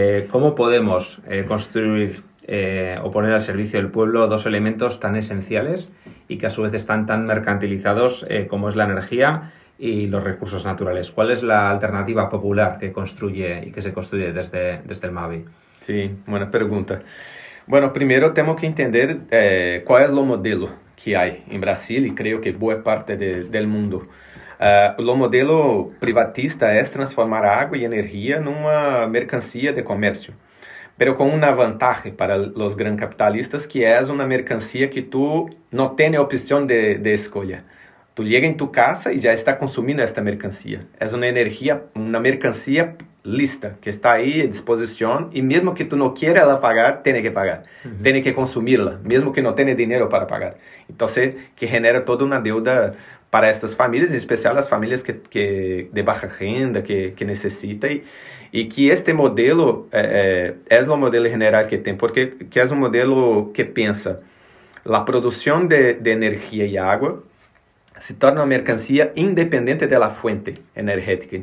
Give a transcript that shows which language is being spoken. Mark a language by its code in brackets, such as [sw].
[es] ¿Cómo podemos construir o poner al servicio del pueblo dos elementos tan esenciales y que a su vez están tan mercantilizados como es la energía y los recursos naturales? ¿Cuál es la alternativa popular que construye y que se construye desde el MAVI? Sí, buena pregunta. Bueno, primero tenemos que entender cuál es el modelo que hay en Brasil y creo que buena parte del mundo. [pt] O modelo privatista é transformar água e energia numa mercancía de comércio, mas com uma vantagem para os grandes capitalistas, que é uma mercancía que tu não tem opção de escolha. Tu chega em tua casa e já está consumindo esta mercancía. É uma energia, uma mercancía lista, que está aí à disposição, e mesmo que tu não queira ela pagar, tem que pagar. Uhum. Tem que consumi-la, mesmo que não tenha dinheiro para pagar. [es] Então, que genera toda uma deuda para estas famílias, en especial las familias que de baja renta, que necesitan, y que este modelo es el modelo general que tiene, porque que es un modelo que piensa la producción de energía y agua se torna una mercancía independiente de la fuente energética.